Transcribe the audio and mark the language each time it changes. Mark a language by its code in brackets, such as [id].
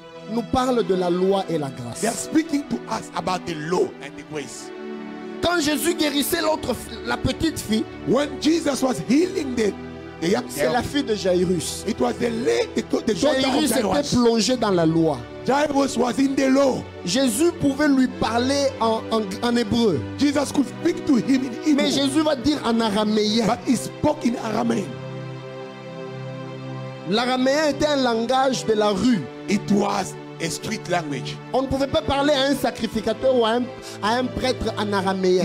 [fr] nous parle de la loi et la grâce. [en] They are speaking to us about the law and the grace. [fr] Quand Jésus guérissait l'autre, la petite fille, [en] when Jesus was healing the young girl, [fr] c'est la fille de Jairus. [en] It was the [fr] Jairus était plongé dans la loi. [en] Jairus was in the law. [fr] Jésus pouvait lui parler en hébreu. [en] Jesus could speak to him in Hebrew. [fr] Mais Jésus va dire en araméen. [en] But he spoke in Aramaic. [fr] L'araméen était un langage de la rue. [en] It was a street language. [fr] On ne pouvait pas parler à un sacrificateur ou à un prêtre en araméen.